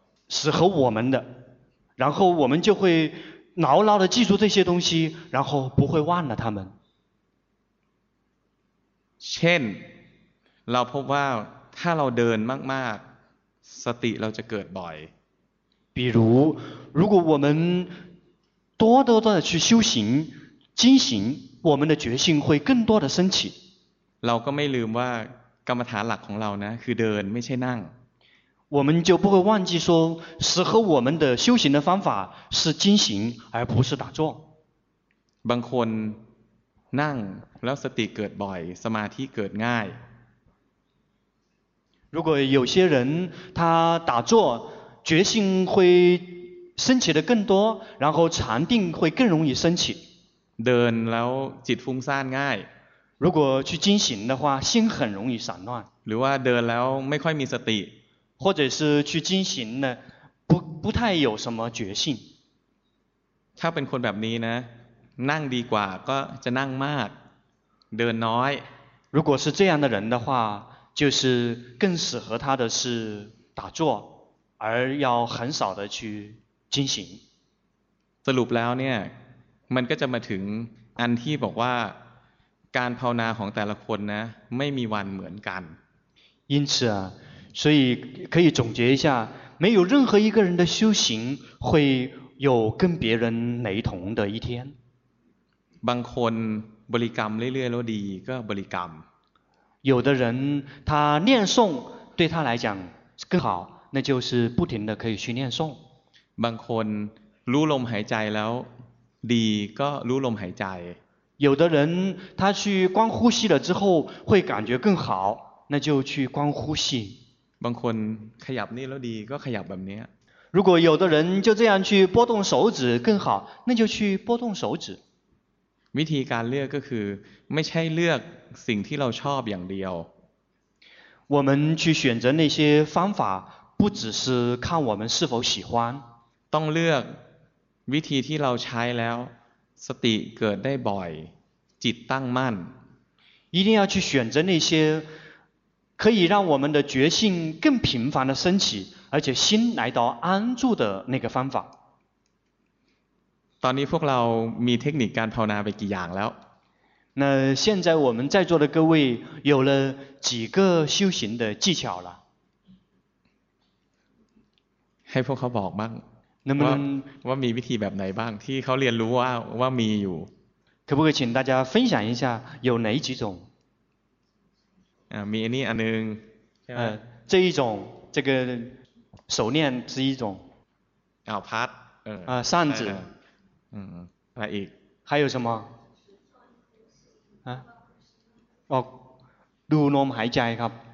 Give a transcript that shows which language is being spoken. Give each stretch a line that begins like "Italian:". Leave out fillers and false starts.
Chinese: 适合我们的然后我们就会牢牢地记住这些东西然后不会忘了他们
Thai: เช่นเราพบว่าถ้าเราเดินมากๆสติเราจะเกิดบ่อย
Chinese: 比如如果我们多多地去修行精行我们的觉性会更多地升起
Thai: เราก็ไม่ลืมว่ากรรมฐานหลักของเรานะคือเดินไม่ใช่นั่ง
Chinese: 我们就不会忘记说适合我们的修行的方法是精行而不是打坐
Thai: บางคนนั่งแล้วสติเกิดบ่อยสมาธิเกิดง่าย
Chinese: 如果有些人他打坐觉性会升起的更多然后禅定会更容易升起
Thai: เดินแล้วจิตฟุ้งซ่านง่าย
Chinese: 如果去精行的话心很容易散乱
Thai: หรือว่าเดินแล้วไม่ค่อยมีสติ
Chinese: 或者是去精行呢不太有什么决心
Thai: ถ้าเป็นคนแบบนี้นะนั่งดีกว่าก็จะนั่งมากเดินน้อย
Chinese: 如果是这样的人的话就是更适合他的是打坐而要很少的去精行
Thai: สรุปแล้วเนี่ยมันก็จะมาถึงอันที่บอกว่าการภาวนาของแต่ละคนนะไม่มีวันเหมือนกัน
Chinese: 因此啊所以可以总结一下没有任何一个人的修行会有跟别人雷同的一天
Thai: บางคนบริกรรมเรื่อยๆแล้วดีก็บริกรรม
Chinese: 有的人他念诵对他来讲更好那就是不停的可以去念诵
Thai: บางคนรู้ลมหายใจแล้วดีก็รู้ลมหายใจ
Chinese: 有的人他去观呼吸了之后会感觉更好那就去观呼吸
Thai: บางคนขยับนี่แล้วดีก็ขยับแบบนี้
Chinese: 如果有的人就这样去拨动手指更好那就去拨动手指
Thai: วิธีการเลือกก็คือไม่ใช่เลือกสิ่งที่เราชอบอย่างเดียว
Chinese: 我们去选择那些方法不只是看我们是否喜欢
Thai: ต้องเลือกวิธีที่เราใช้แล้วสติเกิดได้บ่อยจิตตั้งมั่น
Chinese: 一定要去选择那些可以让我们的觉性更频繁的升起而且心来到安住的那个方法
Thai: ตอนนี้พวกเรามีเทคนิคการภาวนาไปกี่อย่างแล้ว
Chinese: 那现在我们在座的各位有了几个修行的技巧了
Thai: ให้พวกเขาบอกบ้าง นะ ว่ามีวิธีแบบไหนบ้างที่เขาเรียนรู้ว่ามีอยู่
Chinese: 可不可以请大家分享一下有哪几种
Thai: มีอันนี้อันนึง
Chinese: 这一种这个手念是一种
Thai: พัด
Chinese: 扇子
Thai: อะไรอีก
Chinese: 还有什么
Thai: ดูลมหายใจครับ